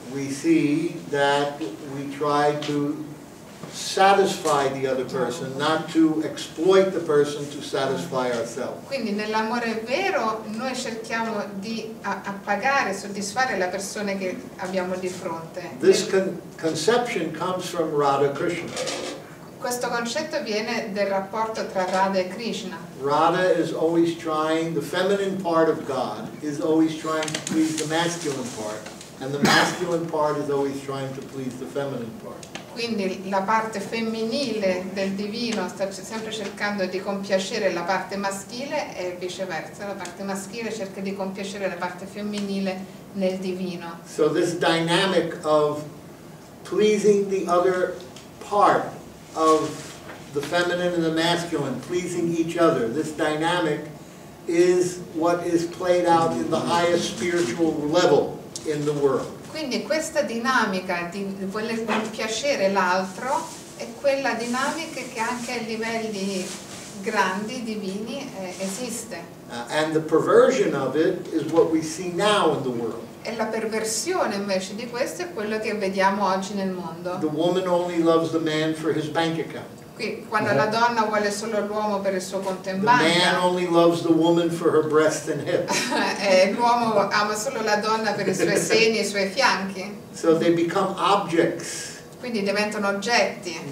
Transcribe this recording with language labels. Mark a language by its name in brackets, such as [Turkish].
[English] we see that we try to satisfy the other person, not to exploit the person to satisfy ourselves. [Italian] Quindi nell'amore vero noi cerchiamo di appagare, soddisfare la persona che abbiamo di fronte. [English] This conception comes from Radha Krishna. [Italian] Questo concetto viene del rapporto tra Radha e Krishna. [English] Radha is always trying, the feminine part of God is always trying to please the masculine part, and the masculine part is always trying to please the feminine part. [Italian] Quindi la parte femminile del divino sta sempre cercando di compiacere la parte maschile e viceversa, la parte maschile cerca di compiacere la parte femminile nel divino. [English] So this dynamic of pleasing the other part of the feminine and the masculine, pleasing each other, this dynamic is what is played out in the highest spiritual level in the world. [Italian] Quindi questa dinamica di voler piacere l'altro è quella dinamica che anche a livelli grandi, divini, esiste. [English] And the perversion of it is what we see now in the world. [Italian] E la perversione invece di questo è quello che vediamo oggi nel mondo. [English] The woman only loves the man for his bank account. [Italian] Qui, quando la donna vuole solo l'uomo per il suo conto in banca. [English] The man only loves the woman for her breast and hips. [Italian] L'uomo ama solo la donna per i suoi seni e i suoi fianchi. [English] So they become objects. [Italian] Quindi diventano oggetti.